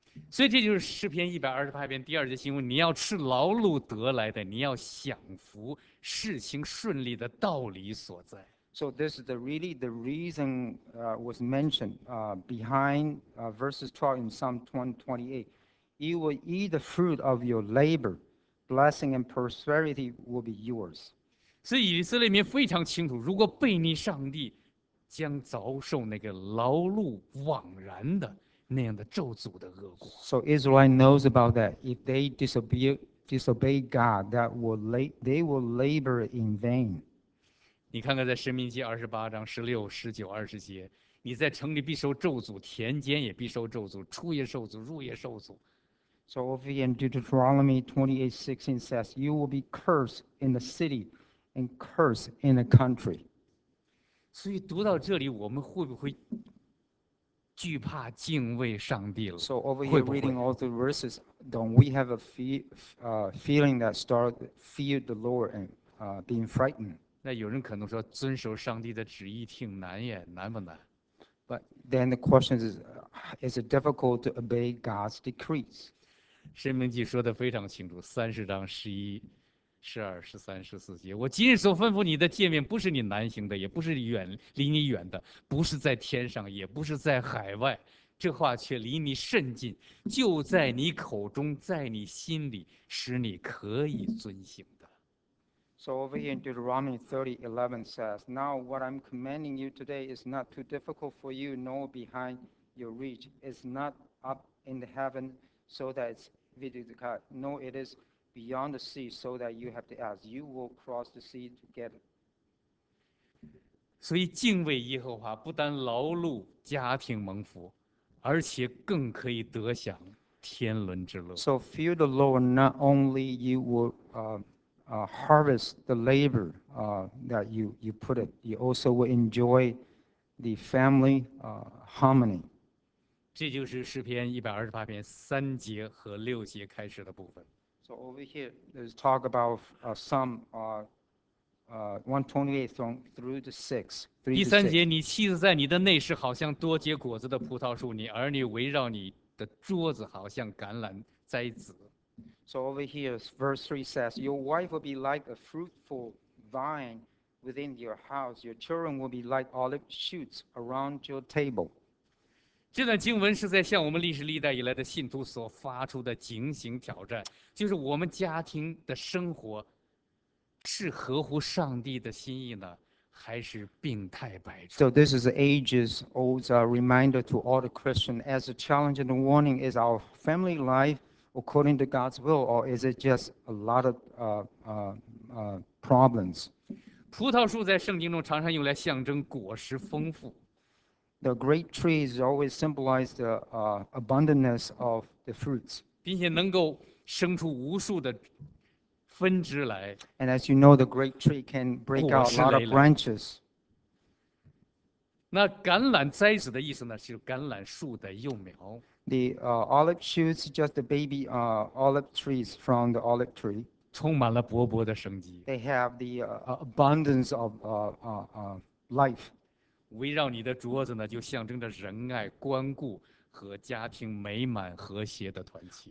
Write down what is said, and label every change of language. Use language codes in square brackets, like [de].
[zh] 所以这就是诗篇128篇第二节形容你要吃劳碌得来的，你要享福，事情顺利的道理所在。 [en] So this is the reason was mentioned behind verses 12 in Psalm 128. You will eat the fruit of your labor, blessing and prosperity will be yours. [zh] 所以以色列民非常清楚，如果悖逆上帝。将遭受那个劳碌枉然的那样的咒诅的恶果。 [en] So Israel knows about that. If they disobey God, that will they will labor in vain. [zh] 你看看在申命记28:16-20，你在城里必受咒诅，田间也必受咒诅，出也受诅，入也受诅。 [en] So over in Deuteronomy 28:16 says, "You will be cursed in the city, and cursed in the country." [zh] 所以读到这里，我们会不会惧怕敬畏上帝了？ [en] So over here reading all the verses, don't we have a feeling that start fear the Lord and being frightened? [zh] 那有人可能说，遵守上帝的旨意挺难也，难不难？ [en] But then the question is it difficult to obey God's decrees? [zh] 申命记说的非常清楚，30:11-13-14，我今日所吩咐你的诫命，不是你难行的，也不是远离你远的，不是在天上，也不是在海外，这话却离你甚近，就在你口中，在你心里，使你可以遵行的。 [en] So over here in Deuteronomy 30:11 says, Now what I'm commanding you today is not too difficult for you, nor behind your reach. It's not up in the heaven, so that it's visible to God. No, it is. Beyond the sea, so that you have to ask, you will cross the sea to get it. [zh] 所以敬畏耶和华不单劳碌家庭蒙福，而且更可以得享天伦之乐。 [en] So fear the Lord, not only you will harvest the labor that you put it, you also will enjoy the family harmony. [zh] 这就是诗篇128:3-6开始的部分。 [en] So over here, there's talk about Psalm 128 through the 6. [zh] 第三节，你妻子在你的内室，好像多结果子的葡萄树；你儿女围绕你的桌子，好像橄榄摘子。 [en] So over here, verse 3 says, Your wife will be like a fruitful vine within your house. Your children will be like olive shoots around your table. [zh] 这段经文是在向我们历史历代以来的信徒所发出的警醒挑战，就是我们家庭的生活是合乎上帝的心意呢，还是病态百出？ [en] So this is ages old reminder to all the Christian as a challenge and a warning: is our family life according to God's will, or is it just a lot of problems? [zh] 葡萄树在圣经中常常用来象征果实丰富。 [en] The grape trees always symbolize the abundance of the fruits. [zh] 并且能够生出无数的分枝来。 [en] And as you know, the grape tree can break out a lot of branches. [zh] 那橄榄摘子的意思呢，是橄榄树的幼苗。 [en] The olive shoots, just the baby olive trees from the olive tree. [zh] 充满了勃勃的生机。 [en] They have the abundance of life. [zh] 围绕你的桌子呢，就象征着仁爱、关顾和家庭美满和谐的团契。